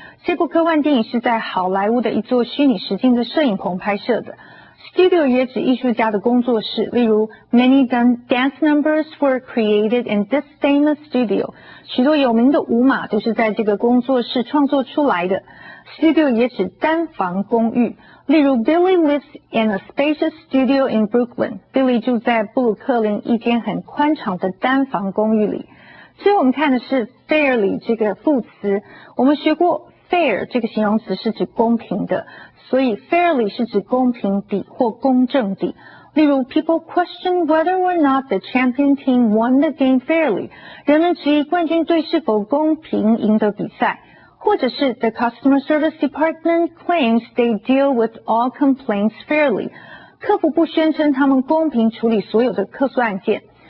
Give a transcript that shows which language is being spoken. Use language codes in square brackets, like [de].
[zh] 这部科幻电影是在好莱坞的一座虚拟实境的摄影棚拍摄的。 studio 也指艺术家的工作室。例如 [en] ，Many dance numbers were created in this famous studio。 [zh] 许多有名的舞码都是在这个工作室创作出来的。 [en] studio [zh] 也指单房公寓。例如 [en] ,Billy lives in a spacious studio in Brooklyn. [zh] Billy 住在布鲁克林一间很宽敞的单房公寓里。最后我们看的是 fairly 这个副词。我们学过 fair 这个形容词是指公平的。所以 fairly 是指公平的或公正的。例如 [en] ,people question whether or not the champion team won the game fairly. [zh] 人们质疑冠军队是否公平赢得比赛。或者是 [en] The customer service department claims they deal with all complaints fairly. [zh] 客服部宣称他们公平处理所有的客诉案件。